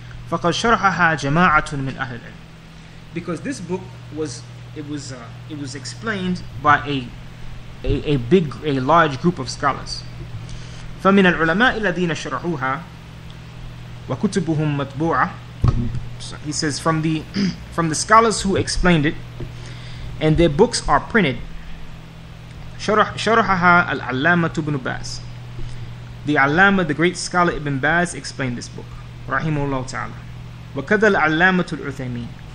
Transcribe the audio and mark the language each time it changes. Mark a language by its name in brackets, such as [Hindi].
[Arabic] فقد شرحها جماعة من أهل العلم. [English] Because this book was explained by a large group of scholars. [Arabic] فمن العلماء الذين شرحوها وكتبهم مطبوعة. [English] He says from the scholars who explained it, and their books are printed. [Arabic] شرحها العلامة ابن باز. [English] The Allama, the great scholar Ibn Baz, explained this book. [Arabic] Rahimahullah ta'ala. وَكَذَا الْعَلَّامَةُ الْعُثَيْمِينَ.